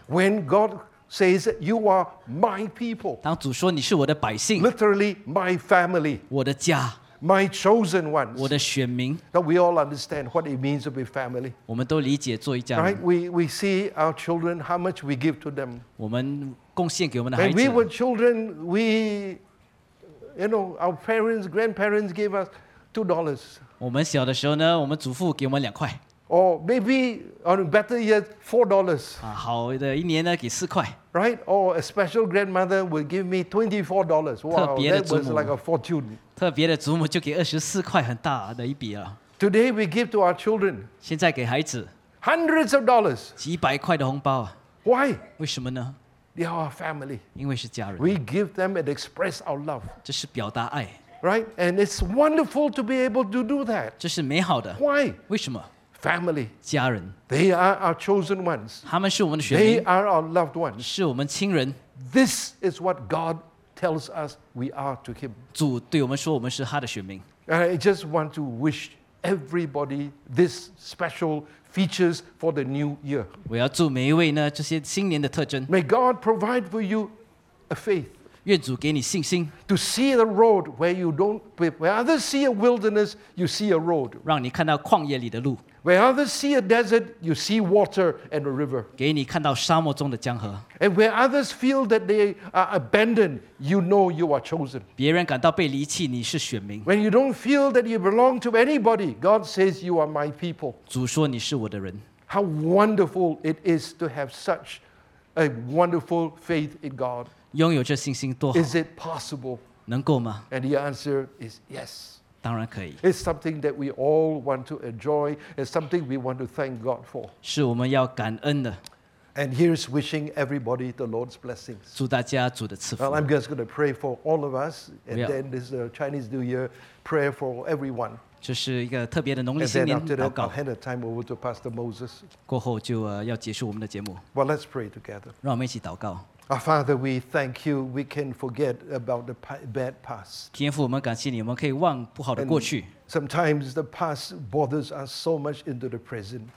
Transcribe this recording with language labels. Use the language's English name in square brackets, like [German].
[English] when God says, you are my people. [Chinese] 当主说你是我的百姓, [English] literally, my family. [Chinese] 我的家, [English] my chosen ones. [Chinese] 我的选民, [English] that we all understand what it means to be family. [Chinese] 我们都理解做一家人, [English] right? We see our children, how much we give to them. [Chinese] 我们贡献给我们的孩子, [English] when we were children, we... You know, our parents, grandparents gave us $2. [Chinese] 我们小的时候呢, 我们祖父给我们两块, [English] or maybe on a better year, $4. [Chinese] 啊, 好的一年呢, 给四块, [English] right? Or a special grandmother would give me $24. Wow, [Chinese] 特别的祖母, [English] that was like a fortune. [Chinese] 特别的祖母就给24块, 很大的一笔啊。 [English] Today we give to our children [Chinese] 现在给孩子, [English] hundreds of dollars. [Chinese] 几百块的红包啊。 [English] Why? [Chinese] 为什么呢? [English] They are our family. [Chinese] 因为是家人, [English] we give them and express our love. [Chinese] 这是表达爱, [English] right? And it's wonderful to be able to do that. [Chinese] 这是美好的, [English] why? [Chinese] 为什么? [English] Family. [Chinese] 家人, [English] they are our chosen ones. [Chinese] 他们是我们的选民, [English] they are our loved ones. [Chinese] 是我们亲人, [English] this is what God tells us we are to Him. [Chinese] 主对我们说我们是他的选民, [English] and I just want to wish everybody this special features for the new year. [Chinese] 我要祝每一位呢, 这些新年的特征, [English] may God provide for you a faith. [Chinese] 愿主给你信心, [English] to see the road where you don't, where others see a wilderness, you see a road. [Chinese] 让你看到旷野里的路, [English] where others see a desert, you see water and a river. [Chinese] 给你看到沙漠中的江河, [English] and where others feel that they are abandoned, you know you are chosen. [Chinese] 别人感到被离弃, 你是选民, [English] when you don't feel that you belong to anybody, God says you are my people. [Chinese] 主说你是我的人, [English] how wonderful it is to have such a wonderful faith in God. [Chinese] 拥有这信心多好, [English] is it possible? [Chinese] 能够吗? [English] And the answer is yes. [Chinese] 当然可以, [English] it's something that we all want to enjoy. It's something we want to thank God for. [Chinese] 是我们要感恩的, [English] and here's wishing everybody the Lord's blessings. [Chinese] 祝大家主的赐福。 [English] Well, I'm just going to pray for all of us, and then this is a Chinese New Year prayer for everyone. [Chinese] 这是一个特别的农历新年祷告。 [English] And then after that, I'll hand the time over to Pastor Moses. [Chinese] 过后就, 要结束我们的节目。 [English] Well, let's pray together. [Chinese] 让我们一起祷告。 [English] Our Father, we thank you. We can forget about the bad past. [Chinese] 天父，我们感谢你，我们可以忘不好的过去。 [English] Sometimes the past bothers us so much into the present.